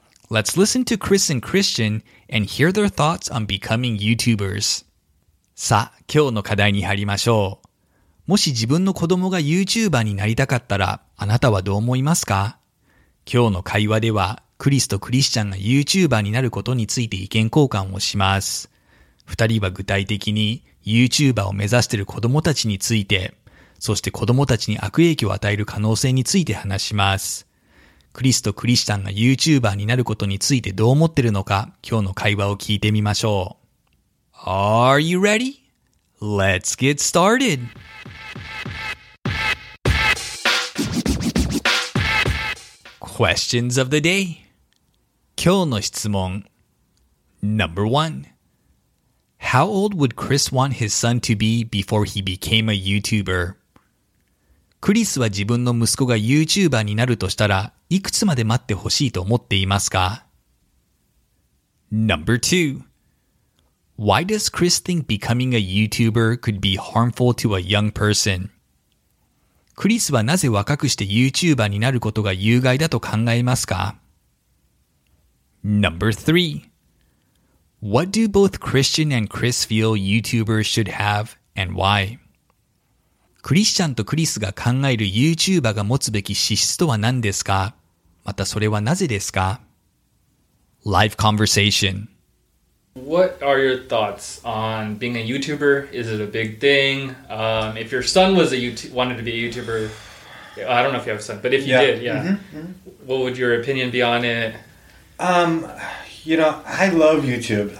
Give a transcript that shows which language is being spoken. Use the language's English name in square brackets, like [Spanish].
[English] Let's listen to Chris and Christian and hear their thoughts on becoming YouTubers. [Japanese] さあ、今日の課題に入りましょう。もし自分の子供が YouTuber になりたかったら、あなたはどう思いますか？今日の会話では、クリスとクリスチャンが YouTuber になることについて意見交換をします。二人は具体的に YouTuber を目指している子供たちについて、そして子供たちに悪影響を与える可能性について話します。クリスとクリスチャンが YouTuber になることについてどう思ってるのか、今日の会話を聞いてみましょう。 [English] Are you ready? Let's get started! Questions of the day. [Japanese] 今日の質問。 [English] Number one. How old would Chris want his son to be before he became a YouTuber? [Japanese] クリスは自分の息子が YouTuber になるとしたら、いくつまで待ってほしいと思っていますか? [English] Number 2. Why does Chris think becoming a YouTuber could be harmful to a young person? [Japanese] クリスはなぜ若くして YouTuber になることが有害だと考えますか? [English] Number 3. What do both Christian and Chris feel YouTubers should have and why? [Japanese] クリスチャンとクリスが考える YouTuber が持つべき資質とは何ですか? またそれはなぜですか? [English] Live conversation. What are your thoughts on being a YouTuber? Is it a big thing? If your son was a wanted to be a YouTuber, I don't know if you have a son, but if you did, yeah. What would your opinion be on it? You know, I love YouTube.